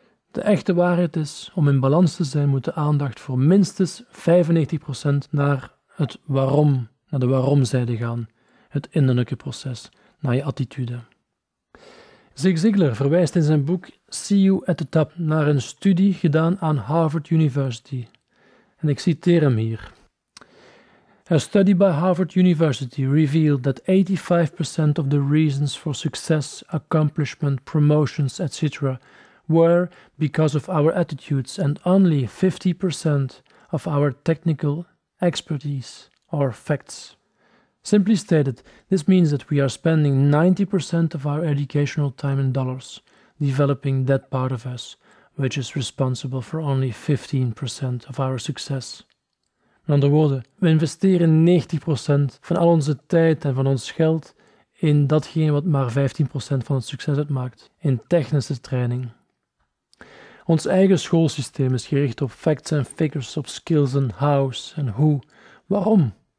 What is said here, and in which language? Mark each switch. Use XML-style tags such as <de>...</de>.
<nl>De echte waarheid is, om in balans te zijn, moet de aandacht voor minstens 95% naar het waarom, naar de waarom-zijde gaan. Het innerlijke proces, naar je attitude. Zig Ziglar verwijst in zijn boek See You at the Top naar een studie gedaan aan Harvard University. En ik citeer hem hier.</nl> <en>A study by Harvard University revealed that 85% of the reasons for success, accomplishment, promotions, etc. were because of our attitudes and only 50% of our technical expertise or facts. Simply stated, this means that we are spending 90% of our educational time and dollars developing that part of us, which is responsible for only 15% of our success.</en> <nl>In andere woorden, we investeren 90% van al onze tijd en van ons geld in datgene wat maar 15% van het succes uitmaakt, in technische training. Ons eigen schoolsysteem is gericht op</nl> <en>facts and figures,</en> <nl>op</nl> <en>skills and hows and who.</en> <nl>Waarom?</nl>